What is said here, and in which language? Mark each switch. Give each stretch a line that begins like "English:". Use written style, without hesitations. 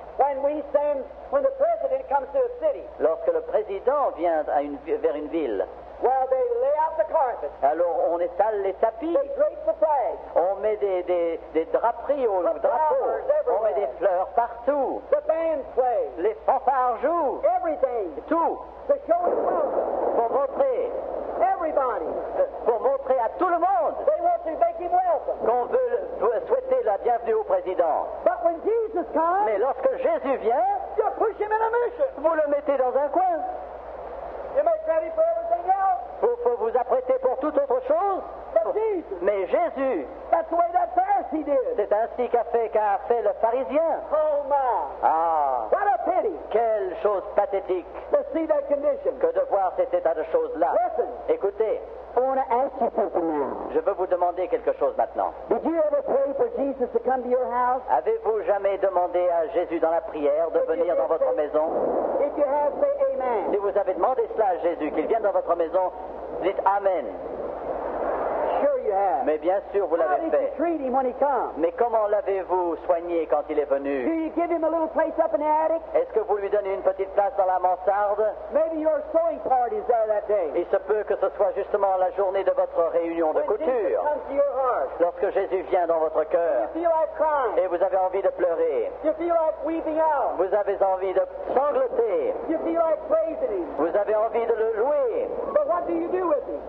English: When we send, when the president comes to a city.
French: Lorsque le président vient à une, vers une ville.
English: Well, they lay out the carpet.
French: Alors on étale les tapis.
English: They drape the flag.
French: On met des draperies au drapeau. On met des fleurs partout.
English: The band plays.
French: Les fanfares jouent.
English: Everything.
French: Tout.
English: To show the world.
French: Pour montrer.
English: Everybody.
French: Pour montrer à tout le monde.
English: They want to make him welcome.
French: Qu'on veut souhaiter la bienvenue au président.
English: But when Jesus comes.
French: Mais lorsque Jésus vient.
English: You push him in a mission.
French: Vous le mettez dans un coin.
English: You make ready for everything else.
French: Vous faut vous apprêter pour toute autre chose.
English: But Jesus.
French: Mais Jésus.
English: That's the way that Pharisee did.
French: C'est ainsi qu'a fait le pharisien.
English: Oh my.
French: Ah.
English: What a pity.
French: Quelle chose pathétique.
English: To see that condition.
French: Que de voir cet état de choses là.
English: Listen.
French: Écoutez.
English: I want to ask you something now.
French: Je veux vous demander quelque chose maintenant.
English: Did you ever pray for Jesus to come to your house?
French: Avez-vous jamais demandé à Jésus dans la prière de
English: if
French: venir dans votre
English: say,
French: maison?
English: If you have, say amen.
French: Si vous avez demandé cela à Jésus, qu'il vienne dans votre maison, dites amen.
English: Sure you have.
French: Mais bien sûr, vous
English: how
French: l'avez
English: did
French: fait.
English: You treat him when he comes?
French: Mais comment l'avez-vous soigné quand il est venu?
English: Do you give him a little place up in the attic?
French: Est-ce que vous lui donnez une petite place dans la mansarde?
English: Maybe your sewing party is there that day.
French: Il se peut que ce soit justement la journée de votre réunion de
English: when
French: couture.
English: Jesus comes to your heart.
French: Lorsque Jésus vient dans votre cœur.
English: Like
French: et vous avez envie de pleurer.
English: You feel like weeping out.
French: Vous avez envie de sangloter.
English: You feel like praising him.
French: Vous avez envie de le louer.
English: But what do you do with him?